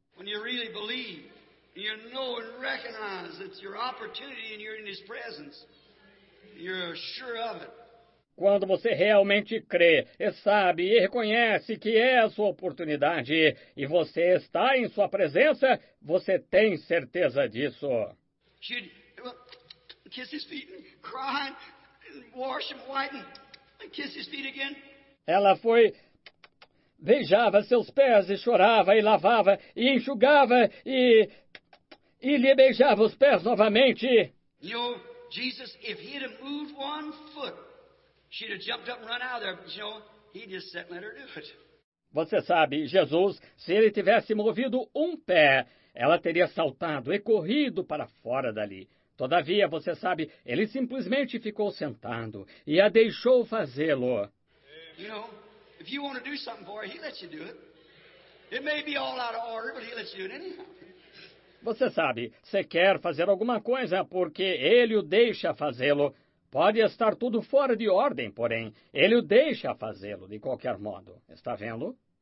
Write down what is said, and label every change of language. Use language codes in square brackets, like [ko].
[pt] Quando você realmente acredita, você sabe e reconhece que é a sua oportunidade e você está em sua presença. [en] You're sure of it. [pt] Quando você realmente crê e sabe e reconhece que é a sua oportunidade e você está em sua presença, você tem certeza disso. [en] She'd kiss his feet and cry and wash him white and kiss his feet again. [pt] Ela foi, beijava seus pés e chorava e lavava e enxugava e lhe beijava os pés novamente. [en] Jesus, if he'd have moved one foot, she'd have jumped up and run out of there. But, you know, he just said, let her do it. [pt] Você sabe, Jesus, se ele tivesse movido um pé, ela teria saltado e corrido para fora dali. Todavia, você sabe, ele simplesmente ficou sentado e a deixou fazê-lo. [en] You know, if you want to do something for her, he lets you do it. It may be all out of order, but he lets you do it anyhow. [pt] Você sabe, se quer fazer alguma coisa porque ele o deixa fazê-lo. Pode estar tudo fora de ordem, porém, ele o deixa fazê-lo de qualquer modo. Está vendo?